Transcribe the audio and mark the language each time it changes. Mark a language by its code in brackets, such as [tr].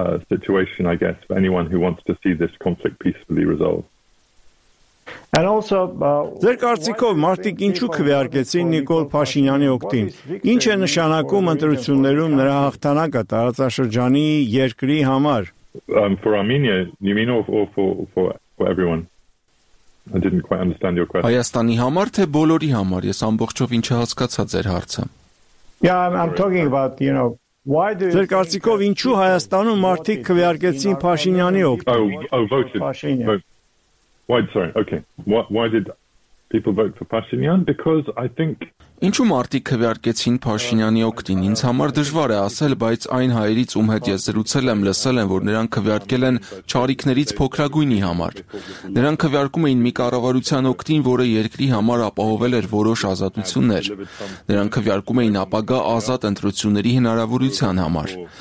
[en] Situation, I guess, for anyone who wants to see this conflict peacefully resolved. And also, [hy] Ձեր կարծիքով մարդիկ ինչու քվեարկեցին Նիկոլ Փաշինյանի օգտին։ Ինչ է նշանակում ընտրություններում նրա հաղթանակը տարածաշրջանի երկրի համար։ [en] For Armenia, you mean, or for everyone? I didn't quite understand your question. [hy] Հայաստանի համար թե բոլորի համար, ես ամբողջով ինչ հասկացա ձեր հարցը։ [en] Yeah, I'm talking about, you know, why do [hy] Ձեր կարծիքով ինչու Հայաստանում մարդիկ քվեարկեցին Փաշինյանի օգտին։ [en] Why did people vote for Pashinyan? Because I think [hy] Ինչու մարդիկ քվեարկեցին Փաշինյանի օգտին։ Ինձ համար դժվար է ասել, բայց այն հայերից, ում հետ ես զրուցել եմ, լսել եմ, որ նրանք քվեարկել են չարիքներից փոքրագույնի համար։ Նրանք քվեարկում էին մի կառավարության օգտին, որը երկրի համար ապահովել էր որոշ ազատություններ։ Նրանք քվեարկում էին ապագա ազատ ընտրությունների հնարավորության համար։